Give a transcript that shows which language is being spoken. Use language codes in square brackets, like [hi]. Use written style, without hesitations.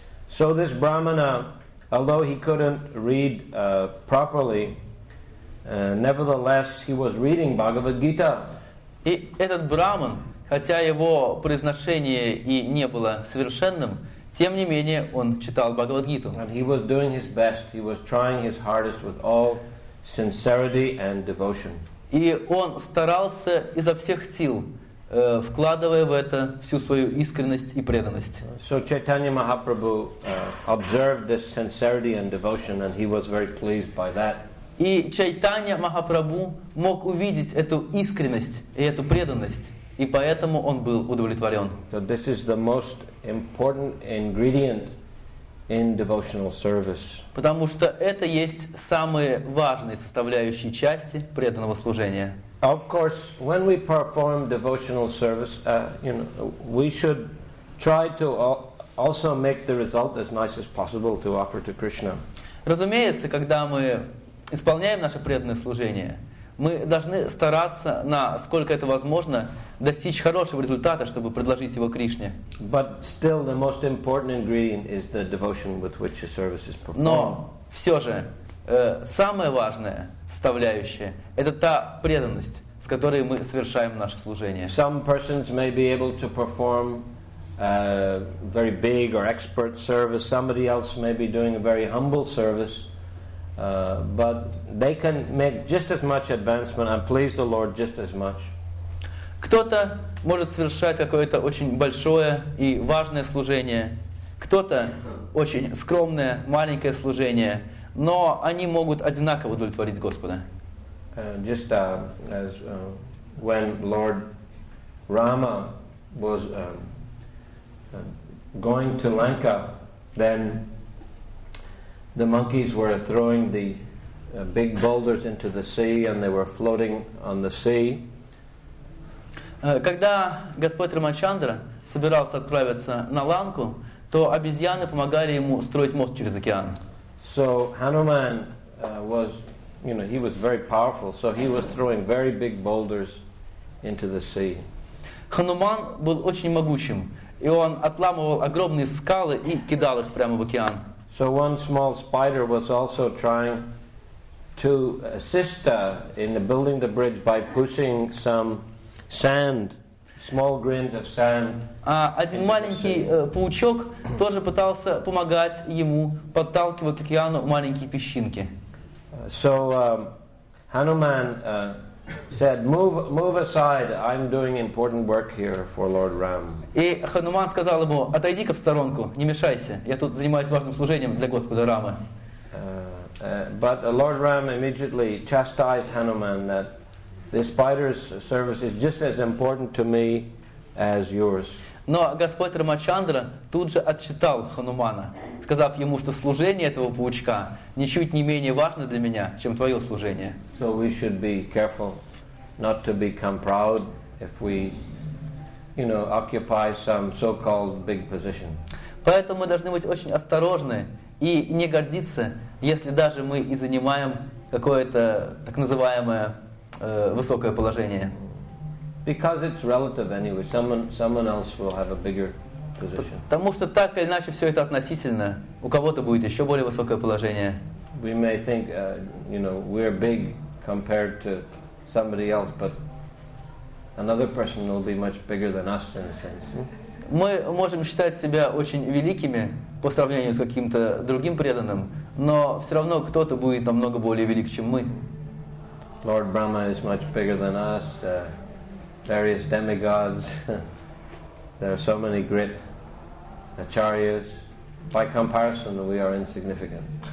[en] So this brahmana, although he couldn't read properly, nevertheless he was reading Bhagavad Gita. [ru] И этот брахман, хотя его произношение и не было совершенным, тем не менее он читал Бхагавад-гиту. [en] And he was doing his best. He was trying his hardest with all sincerity and devotion. [ru] И он старался изо всех сил, вкладывая в это всю свою искренность и преданность. [en] So Chaitanya Mahaprabhu observed this sincerity and devotion, and he was very pleased by that. [ru] И Чайтанья Махапрабху мог увидеть эту искренность и эту преданность, и поэтому он был удовлетворен. [en] So this is the most important ingredient in devotional service. [ru] Потому что это есть самые важные составляющие части преданного служения. [en] Of course, when we perform devotional service, we should try to also make the result as nice as possible to offer to Krishna. [ru] Разумеется, когда мы исполняем наше преданное служение, мы должны стараться, насколько это возможно, достичь хорошего результата, чтобы предложить его Кришне. [en] But still the most important ingredient is the devotion with which the service is performed. [ru] Но все же самая важная составляющая — это та преданность, с которой мы совершаем наше служение. [en] Some persons may be able to perform a very big or expert service. Somebody else may be doing a very humble service. But they can make just as much advancement and please the Lord just as much. [ru] Кто-то может совершать какое-то очень большое и важное служение, кто-то очень скромное, маленькое служение, но они могут одинаково удовлетворить Господа. [en] Just as when Lord Rama was going to Lanka, then the monkeys were throwing the big boulders into the sea, and they were floating on the sea. [ru] Когда Господь Рамачандра собирался отправиться на Ланку, то обезьяны помогали ему строить мост через океан. [en] So Hanuman was, he was very powerful. So he was throwing very big boulders into the sea. [ru] Хануман был очень могучим, и он отламывал огромные скалы и кидал их прямо в океан. [en] So one small spider was also trying to assist in the building the bridge by pushing some sand, small grains of sand. [ru] Один маленький паучок тоже пытался помогать ему, подталкивая к океану маленькие песчинки. [en] So Hanuman said, move aside, I'm doing important work here for Lord Ram. [ru] И Хануман сказал ему, отойди-ка в сторонку, не мешайся, я тут занимаюсь важным служением для Господа Рамы. [en] But Lord Ram immediately chastised Hanuman that the spider's service is just as important to me as yours. [ru] Но Господь Рамачандра тут же отчитал Ханумана, сказав ему, что служение этого паучка ничуть не менее важно для меня, чем твое служение. [en] So we should be careful not to become proud if we, occupy some so-called big position. [ru] Поэтому мы должны быть очень осторожны и не гордиться, если даже мы и занимаем какое-то так называемое высокое положение. [en] Because it's relative anyway. Someone else will have a bigger position. [ru] Потому что так или иначе все это относительно. У кого-то будет еще более высокое положение. [en] We may think, we're big compared to somebody else, but another person will be much bigger than us in a sense. [ru] мы можем считать себя очень великими по сравнению с каким-то другим преданным, но все равно кто-то будет намного более велик, чем мы. [en] Lord Brahma is much bigger than us. Various demigods. There are so many great acharyas. By comparison, we are insignificant.